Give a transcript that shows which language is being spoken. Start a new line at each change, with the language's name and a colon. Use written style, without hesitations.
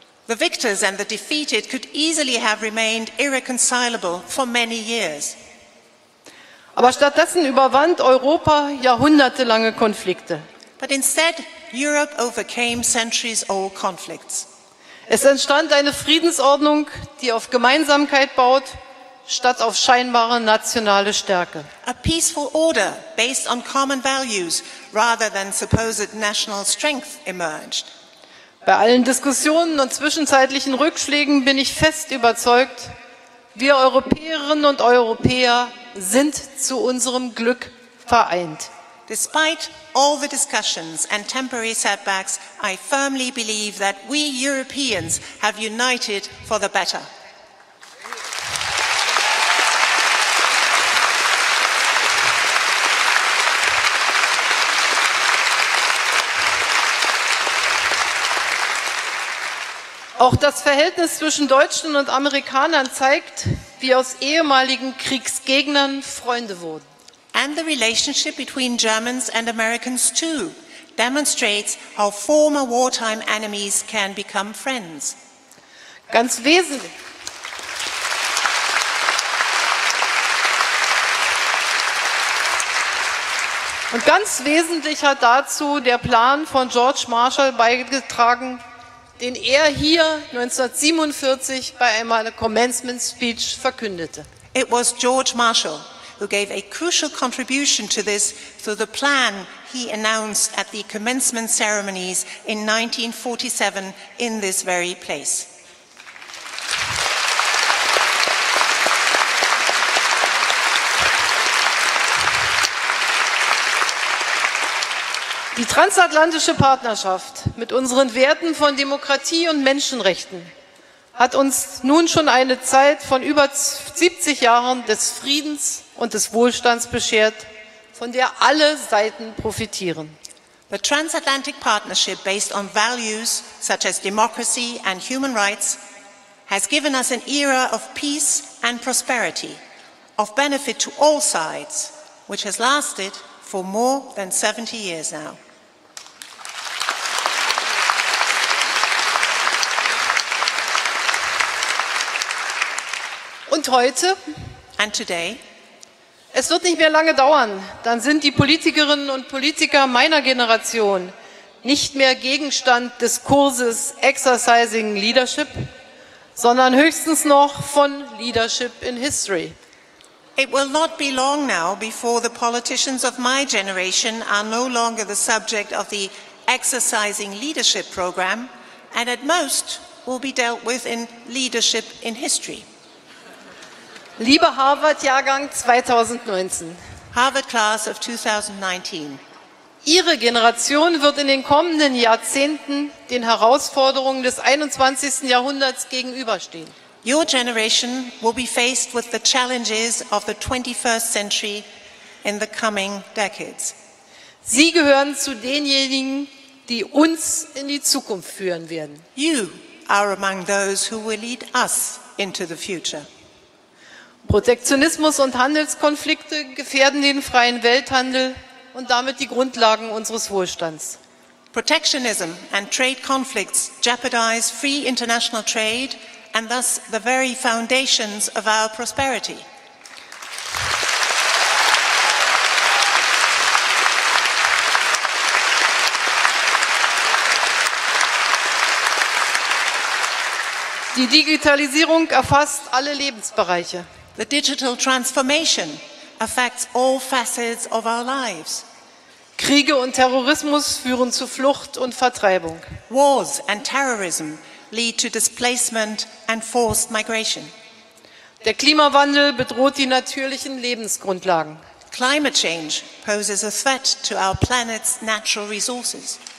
English: The victors and the defeated could easily have remained irreconcilable for many years.
German: Aber stattdessen überwand Europa jahrhundertelange Konflikte.
English: But instead, Europe overcame centuries-old conflicts.
German: Es entstand eine Friedensordnung, die auf Gemeinsamkeit baut, statt auf scheinbare nationale Stärke.
English: A peaceful order based on common values rather than supposed national strength emerged.
German: Bei allen Diskussionen und zwischenzeitlichen Rückschlägen bin ich fest überzeugt, wir Europäerinnen und Europäer sind zu unserem Glück vereint.
English: Despite all the discussions and temporary setbacks, I firmly believe that we Europeans have united for the better.
German: Auch das Verhältnis zwischen Deutschen und Amerikanern zeigt, wie aus ehemaligen Kriegsgegnern Freunde wurden.
English: And the relationship between Germans and Americans too demonstrates how former wartime enemies can become friends.
German: Ganz wesentlich. Und ganz wesentlich hat dazu der Plan von George Marshall beigetragen, den er hier 1947 bei einem
English: Commencement Speech
German: verkündete.
English: It was George Marshall who gave a crucial contribution to this through the plan he announced at the commencement ceremonies in 1947 in this very place.
German: Die transatlantische Partnerschaft mit unseren Werten von Demokratie und Menschenrechten hat uns nun schon eine Zeit von über 70 Jahren des Friedens und des Wohlstands beschert, von der alle Seiten profitieren.
English: The transatlantic partnership based on values such as democracy and human rights has given us an era of peace and prosperity, of benefit to all sides, which has lasted for more than 70 years now.
German: Und heute,
English: and today,
German: es wird nicht mehr lange dauern, dann sind die Politikerinnen und Politiker meiner Generation nicht mehr Gegenstand des Kurses Exercising Leadership, sondern höchstens noch von Leadership in History.
English: It will not be long now before the politicians of my generation are no longer the subject of the Exercising Leadership Program and at most will be dealt with in Leadership in History.
German: Lieber Harvard-Jahrgang 2019,
English: Harvard Class of 2019,
German: Ihre Generation wird in den kommenden Jahrzehnten den Herausforderungen des 21. Jahrhunderts gegenüberstehen.
English: Your generation will be faced with the challenges of the 21st century in the coming decades.
German: Sie gehören zu denjenigen, die uns in die Zukunft führen werden.
English: You are among those who will lead us into the future.
German: Protektionismus und Handelskonflikte gefährden den freien Welthandel und damit die Grundlagen unseres Wohlstands.
English: Protectionism and trade conflicts jeopardize free international trade and thus the very foundations of our prosperity.
German: Die Digitalisierung erfasst alle Lebensbereiche.
English: The digital transformation affects all facets of our lives.
German: Kriege und Terrorismus führen zu Flucht und Vertreibung.
English: Wars and terrorism lead to displacement and forced migration.
German: Der Klimawandel bedroht die natürlichen Lebensgrundlagen.
English: Climate change poses a threat to our planet's natural resources.